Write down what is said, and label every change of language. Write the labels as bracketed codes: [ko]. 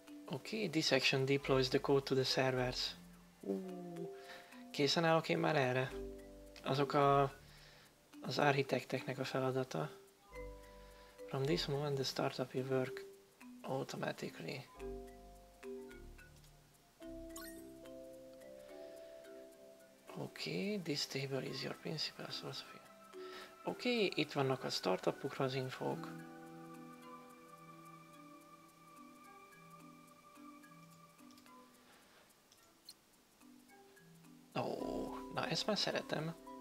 [en] Oké, dissection deploys the code to the servers. [hu] Készen állok én már erre? Azok az architekteknek a feladata. [en] From this moment the startup will work automatically. Oké, this table is your principal source of it. [hu] Oké, itt vannak a startupukra az infók. Na ezt már szeretem.